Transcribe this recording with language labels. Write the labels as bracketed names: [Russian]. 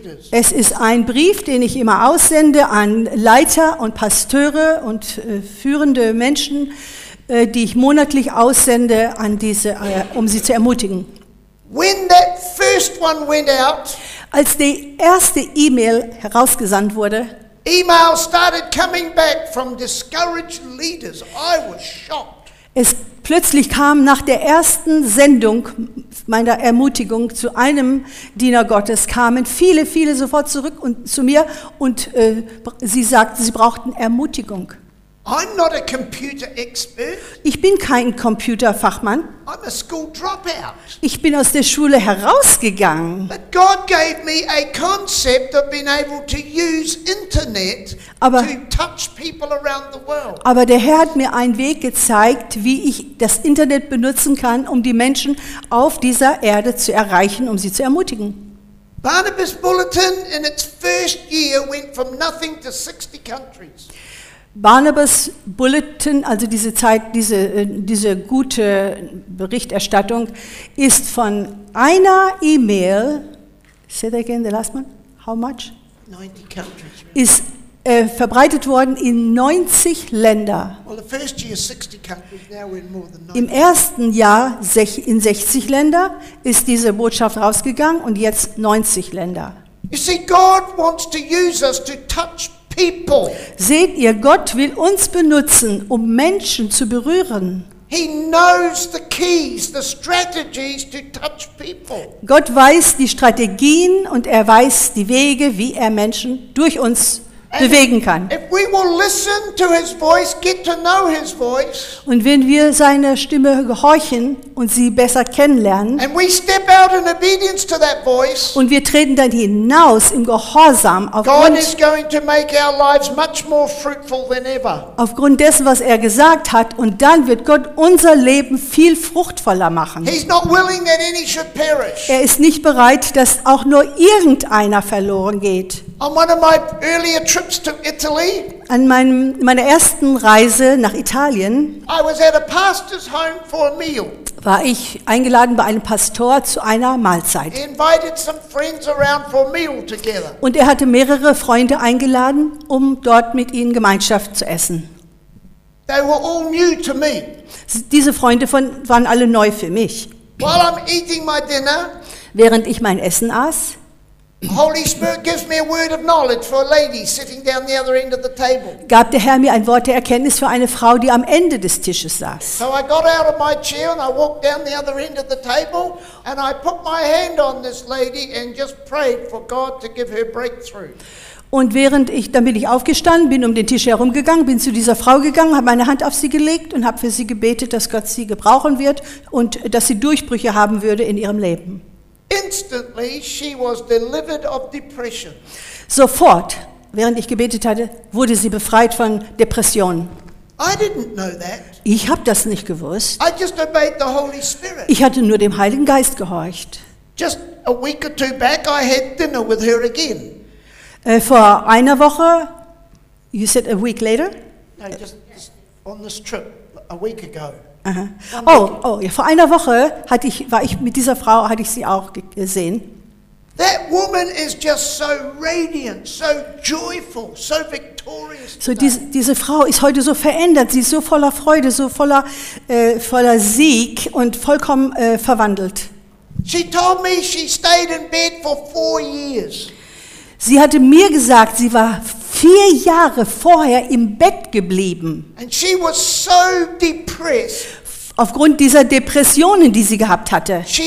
[German] Es ist ein Brief, den ich immer aussende an Leiter und Pasteure und führende Menschen, die ich monatlich aussende an diese, um sie zu ermutigen. [English] When that first one went out, [German] als die erste E-Mail herausgesandt wurde, [English] Email started coming back from discouraged leaders. I was shocked. [German] Es plötzlich kam nach der ersten Sendung meiner Ermutigung zu einem Diener Gottes, kamen viele, viele sofort zurück und zu mir und sie sagten, sie brauchten Ermutigung. [English] I'm not a computer expert. [German] Ich bin kein Computerfachmann. [English] I'm a school dropout. [German] Ich bin aus der Schule herausgegangen. [English] But God gave me a concept of being able to use internet to touch people around the world. [German] Aber der Herr hat mir einen Weg gezeigt, wie ich das Internet benutzen kann, um die Menschen auf dieser Erde zu erreichen, um sie zu ermutigen. [English] Barnabas Bulletin in its first year went from nothing to 60 countries. [German] Barnabas Bulletin, also diese Zeit, diese gute Berichterstattung, ist von einer E-Mail, [English] say that again, the last one, how much? 90 countries. [German] Ist verbreitet worden in 90 Länder. [English] Well, the first year 60 countries, now we're in more than 90. [German] Im ersten Jahr in 60 Länder ist diese Botschaft rausgegangen und jetzt 90 Länder. [English] You see, God wants to use us to touch people. [German] Seht ihr, Gott will uns benutzen, um Menschen zu berühren. [English] He knows the keys, the strategies to touch people. [German] Gott weiß die Strategien und er weiß die Wege, wie er Menschen durch uns bewegen kann. [English] If we will listen to his voice, get to know his voice. [German] Und wenn wir seiner Stimme gehorchen und sie besser kennenlernen. [English] And we step out in obedience to that voice. [German] Und wir treten dann hinaus im Gehorsam aufgrund. [English] God is going to make our lives much more fruitful than ever. [German] Aufgrund dessen, was er gesagt hat, und dann wird Gott unser Leben viel fruchtvoller machen. [English] He's not willing that any should perish. [German] Er ist nicht bereit, dass auch nur irgendeiner verloren geht. [English] On one of my earlier trips to Italy, [German] an meiner ersten Reise nach Italien, [English] I was at a pastor's home for a meal. [German] War ich eingeladen bei einem Pastor zu einer Mahlzeit. [English] He invited some friends around for a meal together. [German] Und er hatte mehrere Freunde eingeladen, um dort mit ihnen Gemeinschaft zu essen. [English] They were all new to me. [German] Diese Freunde waren alle neu für mich. [English] While I'm eating my dinner, [German] während ich mein Essen aß, [English] Holy Spirit gives me a word of knowledge for a lady sitting down the other end of the table. [German] Gab der Herr mir ein Wort der Erkenntnis für eine Frau, die am Ende des Tisches saß. [English] So I got out of my chair and I walked down the other end of the table and I put my hand on this lady and just prayed for God to give her breakthrough. [German] Und bin ich aufgestanden, bin um den Tisch herumgegangen, bin zu dieser Frau gegangen, habe meine Hand auf sie gelegt und habe für sie gebetet, dass Gott sie gebrauchen wird und dass sie Durchbrüche haben würde in ihrem Leben. [English] Instantly she was delivered of depression. [German] Sofort, während ich gebetet hatte, wurde sie befreit von Depressionen. [English] I didn't know that. [German] Ich habe das nicht gewusst. [English] I just obeyed the Holy Spirit. [German] Ich hatte nur dem Heiligen Geist gehorcht. [English] Just a week or two back I had dinner with her again. [German] Vor einer Woche, [English] you said a week later? No, just on this trip a week ago. Aha. [German] Oh, ja, vor einer Woche hatte ich sie auch gesehen. [English] That woman is just so radiant, so joyful, so victorious. [German] So diese Frau ist heute so verändert, sie ist so voller Freude, so voller Sieg und vollkommen verwandelt. [English] She told me she stayed in bed for 4 years. [German] Sie hatte mir gesagt, sie war 4 Jahre vorher im Bett geblieben. [English] And she was so depressed. [German] Aufgrund dieser Depressionen, die sie gehabt hatte.